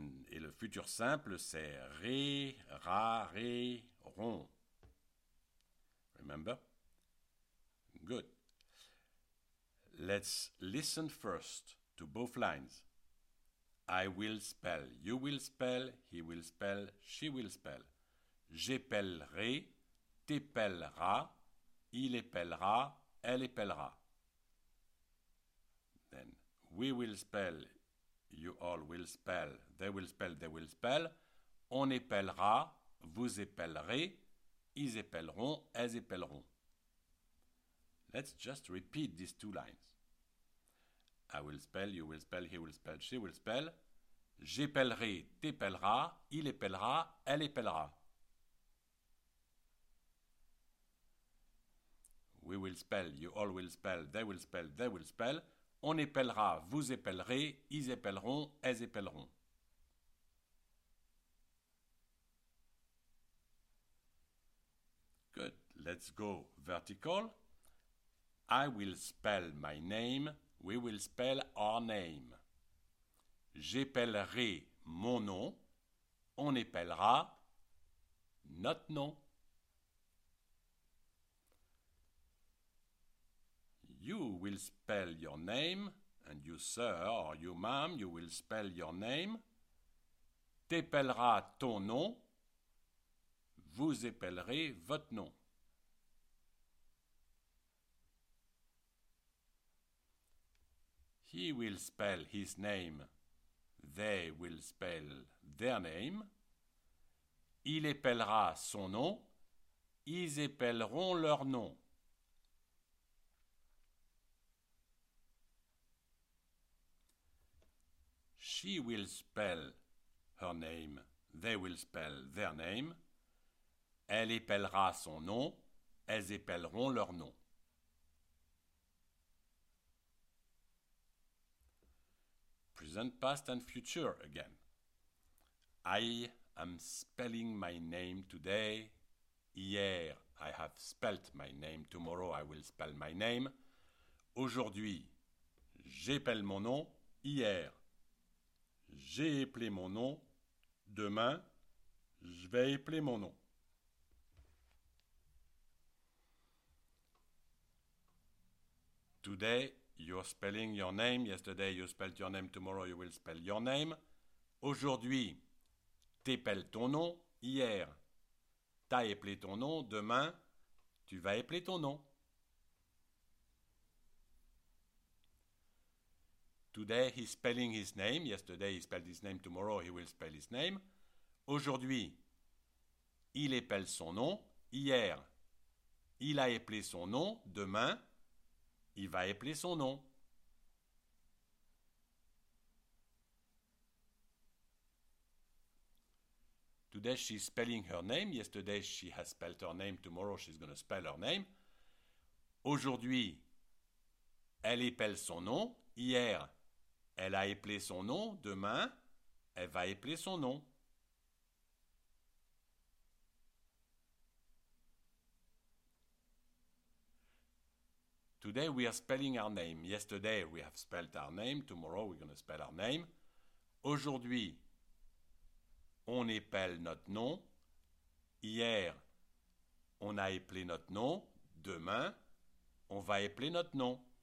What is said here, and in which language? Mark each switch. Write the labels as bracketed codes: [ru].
[fr] Et le futur simple, c'est ré, ra, ré, ron. [en] Remember? Good. Let's listen first to both lines. I will spell, you will spell, he will spell, she will spell. [fr] J'épellerai, t'épellera, il épellera, elle épellera. [en] Then, we will spell, you all will spell, they will spell, they will spell. [fr] On épellera, vous épellerez, ils épelleront, elles épelleront. [en] Let's just repeat these two lines. I will spell, you will spell, he will spell, she will spell. [fr] J'épellerai, t'épellera, il épellera, elle épellera. [en] We will spell, you all will spell, they will spell, they will spell. [fr] On épellera, vous épellerez, ils épelleront, elles épelleront. [en] Good, let's go vertical. I will spell my name, we will spell our name. [fr] J'épellerai mon nom, on épellera notre nom. [en] You will spell your name, and you sir or you ma'am, you will spell your name. [fr] T'épellera ton nom, vous épellerez votre nom. [en] He will spell his name. They will spell their name. [fr] Il épellera son nom. Ils épelleront leur nom. [en] She will spell her name. They will spell their name. [fr] Elle épellera son nom. Elles épelleront leur nom. [en] Present, past and future again. I am spelling my name today. Hier, I have spelt my name. Tomorrow, I will spell my name. [fr] Aujourd'hui, j'épelle mon nom. Hier, j'ai épelé mon nom. Demain, je vais épeler mon nom. [en] Today, you're spelling your name. Yesterday, you spelled your name. Tomorrow, you will spell your name. [fr] Aujourd'hui, t'épelles ton nom. Hier, t'as épelé ton nom. Demain, tu vas épeler ton nom. [en] Today, he's spelling his name. Yesterday, he spelled his name. Tomorrow, he will spell his name. [fr] Aujourd'hui, il épelle son nom. Hier, il a épelé son nom. Demain, il va épeler son nom. [en] Today she's spelling her name. Yesterday she has spelled her name. Tomorrow she's going to spell her name. [fr] Aujourd'hui, elle épelle son nom. Hier, elle a épelé son nom. Demain, elle va épeler son nom. [en] Today we are spelling our name. Yesterday we have spelled our name. Tomorrow we're going to spell our name. [fr] Aujourd'hui, on épelle notre nom. Hier, on a épelé notre nom. Demain, on va épeler notre nom.